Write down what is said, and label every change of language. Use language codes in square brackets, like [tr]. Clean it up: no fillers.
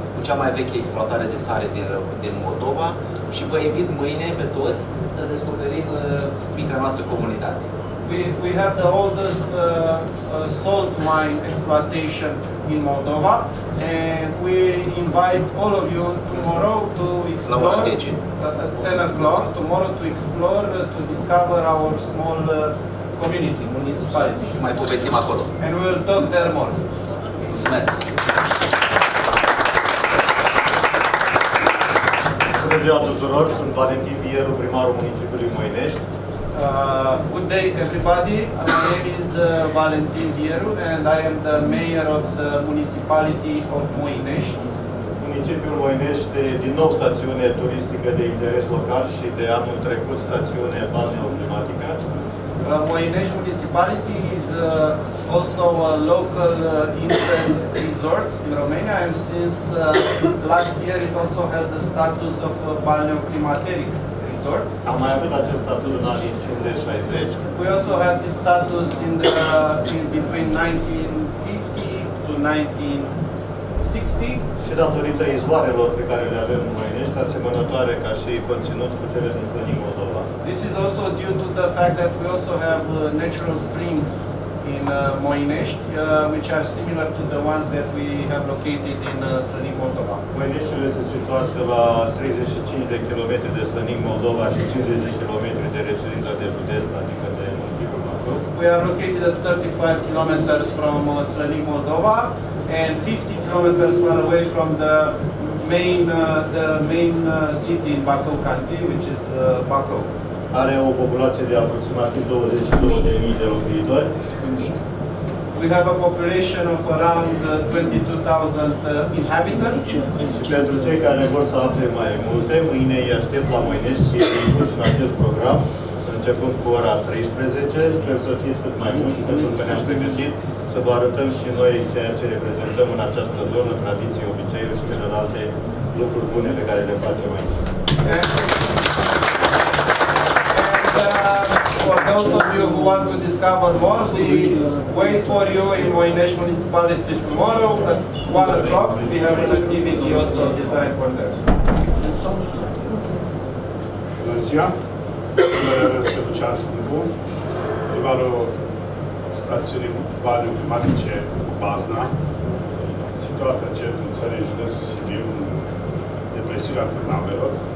[ro] Cu cea mai veche exploatare de sare din Moldova și vă invit mâine pe toți să descoperim mica noastră comunitate. [en] We have the oldest salt mine exploitation in Moldova, and we invite all of you tomorrow to explore at 10 o'clock tomorrow to explore to discover our small community, municipality. [ro] Și mai povestim acolo. [en] And we will talk there more. [ro] Mulțumesc! Bună ziua tuturor, sunt Valentin Vieru, primarul municipiului Moinești. [en] Good day everybody, my name is Valentin Vieru and I am the mayor of the municipality of Moinești. [ro] Municipiul Moinești din nou stațiune turistică de interes local și de anul trecut stațiune balneoclimatică. [en] Moinești municipality is also a local interest resort in Romania and since last year it also has the status of a balneoclimateric resort. [ro] Am mai avut acest status în anii 50-60. [en] We also have this status in the in between 1950 to 1960. [ro] Și datorită izvoarelor pe care le avem în Moinești, asemănătoare ca și conținut cu cele din Fânii Moldova. [en] This is also due to the fact that we also have natural springs in Moinești, which are similar to the ones that we have located in Slănic Moldova. [ro] Moineștiul este situat la 35 de km de Slănic Moldova și 50 de km de reședința de județ, adică de municipiul. [en] We are located at 35 km from Slănic Moldova and 50 km far away from the main city in Bacău County, which is Bacău. [ro] Are o populație de aproximativ 22.000 de locuitori. [en] We have a population of around 22.000 inhabitants. [ro] Și pentru cei care vor să afle mai multe, mâine îi aștept la Moinești și îi pus în acest program, începând cu ora 13, sper să fiți cât mai mulți, pentru că ne-am pregătit să vă arătăm și noi ceea ce reprezentăm în această zonă, tradiții, obiceiuri și celelalte lucruri bune pe care le facem aici. [en] For those of you who want to discover more, we wait for you in Moinești Municipality tomorrow at 1 o'clock. We have an activity also designed for that. [ro] Bună ziua! Se ducea în Scumpul. E valo stațiune balneoclimatice Bazna, situată în centrul țării, județul Sibiu, în depresiunea Târnavelor.